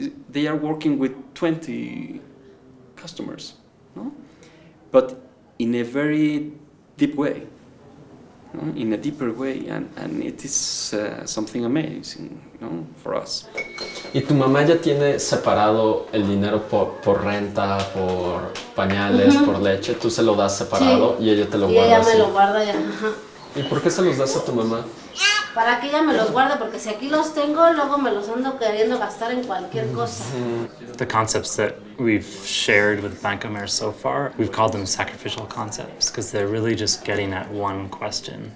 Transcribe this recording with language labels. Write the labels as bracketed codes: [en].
[en] They are working with 20 customers, no? But in a very deep way, no? In a deeper way, and it is something amazing, no? For us. [es] ¿Y tu mamá ya tiene separado el dinero por renta, por pañales, mm-hmm. por leche? ¿Tú se lo das separado sí. y ella te lo y guarda ella así? Me lo guarda ya. Ajá. ¿Y por qué se los das a tu mamá? Para que ella me los guarde, porque si aquí los tengo, luego me los ando queriendo gastar en cualquier cosa. [en] The concepts that we've shared with Bancomer so far, we've called them sacrificial concepts, because they're really just getting at one question.